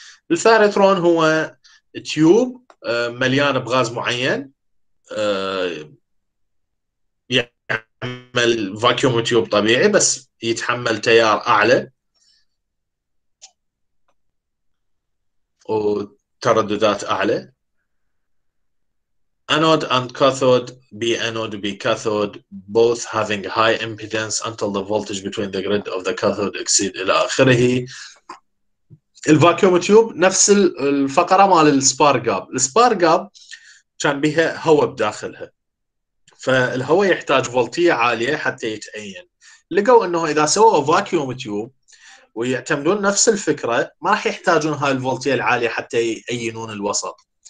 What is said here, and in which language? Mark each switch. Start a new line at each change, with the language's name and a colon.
Arabic: الثيرترون هو تيوب مليان بغاز معين، يعمل فاكيوم تيوب طبيعي بس يتحمل تيار اعلى وترددات اعلى.
English: Anode and cathode, B anode, B cathode, both having high impedance until the voltage between the grid of the cathode exceed
Arabic: إلى آخره. الفاكيوم تيوب نفس الفقرة مع السبارقاب. السبارقاب كان بها هواء بداخلها، فالهواء يحتاج فولتية عالية حتى يتأين. لقوا أنه إذا سووا فاكيوم تيوب ويعتمدون نفس الفكرة ما راح يحتاجون هاي الفولتية العالية حتى يأينون الوسط.